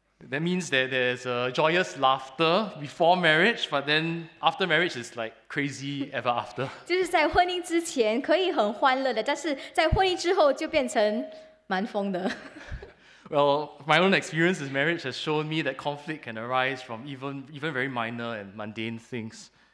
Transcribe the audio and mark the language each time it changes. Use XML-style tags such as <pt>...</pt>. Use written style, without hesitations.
<en>That means that there's a joyous laughter before marriage, but then after marriage is like crazy ever after.</en> <zh>就是在婚姻之前可以很欢乐的, 但是在婚姻之后就变成蛮疯的。</zh> <en>Well, my own experience with marriage has shown me that conflict can arise from even very minor and mundane things.</en>